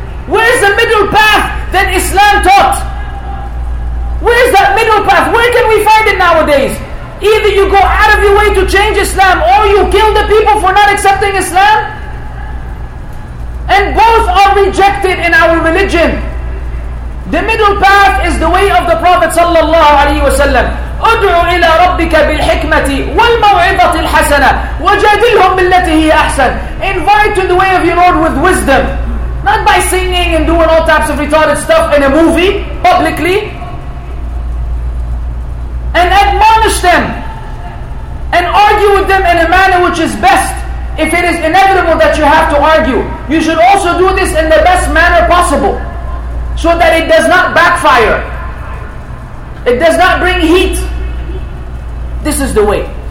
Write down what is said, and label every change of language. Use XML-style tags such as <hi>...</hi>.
<en>Where is the middle path that Islam taught? Where is that middle path? Where can we find it nowadays? Either you go out of your way to change Islam, or you kill the people for not accepting Islam. And both are rejected in our religion. The middle path is the way of the Prophet sallallahu alaihi wasallam.</en> <ar>ادعوا الى ربك بالحكمه والموعظه الحسنه وجادلهم بالتي هي احسن.</ar> <en>Invite to the way of your Lord with wisdom, not by singing and doing all types of retarded stuff in a movie publicly, and admonish them and argue with them in a manner which is best. If it is inevitable that you have to argue, you should also do this in the best manner possible, so that it does not backfire, it does not bring heat. This is the way.</en>